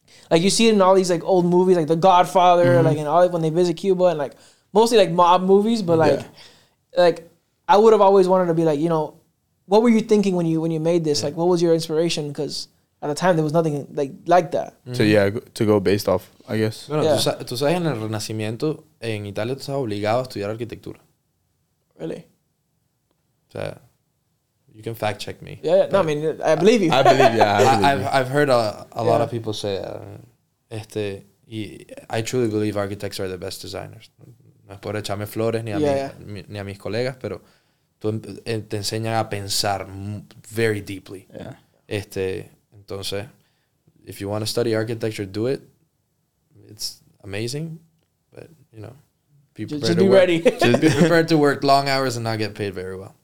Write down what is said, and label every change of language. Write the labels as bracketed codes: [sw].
[en] Like you see it in all these like old movies, like The Godfather, mm-hmm. like and all when they visit Cuba and like mostly like mob movies. But like, like I would have always wanted to be like, you know, what were you thinking when you made this? Yeah. Like, what was your inspiration? Cause at the time there was nothing like that. Mm-hmm. So yeah, to go based off, I guess. [es] Bueno, yeah. Tú sabes en el Renacimiento. En Italia tú estás obligado a estudiar arquitectura. [en] Really? [es] O sea, [en] you can fact check me. Yeah, no, I mean, I believe you. I believe, yeah. I've heard a lot of people say, I truly believe architects are the best designers. [es] No es por echarme flores ni a mis colegas, pero te enseñan a pensar [en] very deeply. Yeah. Entonces, if you want to study architecture, do it. It's amazing. You know, just be ready. Just be prepared to work long hours and not get paid very well.